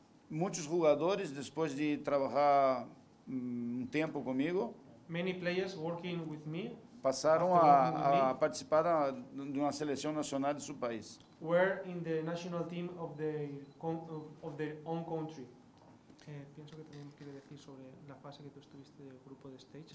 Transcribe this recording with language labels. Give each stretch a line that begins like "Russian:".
Spanish: muchos jugadores después de trabajar un tiempo conmigo,
English: many players working with me,
Spanish: pasaron a participar de una selección nacional de su país.
English: Were in the national team of their own country.
Spanish: Pienso que también quiere decir sobre la fase que tú estuviste del grupo de stage.